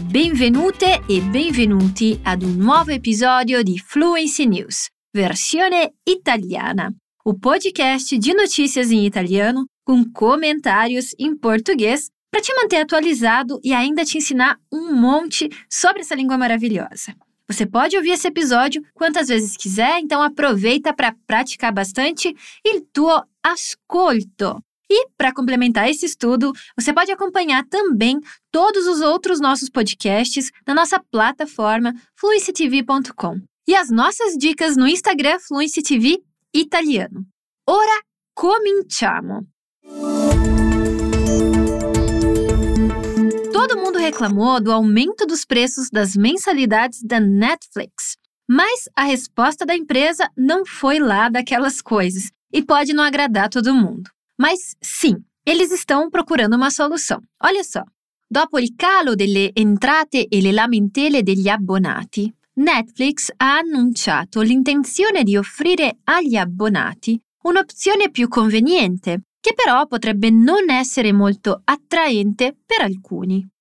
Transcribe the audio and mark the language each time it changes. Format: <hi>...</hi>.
<it>Benvenute e benvenuti ad un nuovo episodio di Fluency News, versione italiana.</it> <pt>O podcast de notícias em italiano com comentários em português para te manter atualizado e ainda te ensinar um monte sobre essa língua maravilhosa. Você pode ouvir esse episódio quantas vezes quiser, então aproveita para praticar bastante</pt> <it>il tuo ascolto.</it> <pt>E para complementar esse estudo, você pode acompanhar também todos os outros nossos podcasts na nossa plataforma fluencytv.com e as nossas dicas no Instagram fluencytv italiano.</pt> <it>Ora cominciamo!</it> <pt>Todo mundo reclamou do aumento dos preços das mensalidades da Netflix. Mas a resposta da empresa não foi lá daquelas coisas e pode não agradar todo mundo. Mas sim, eles estão procurando uma solução. Olha só.</pt> <it>Dopo il calo delle entrate e le lamentele degli abbonati, Netflix ha annunciato l'intenzione di offrire agli abbonati un'opzione più conveniente, che però potrebbe non essere molto attraente per alcuni.</it>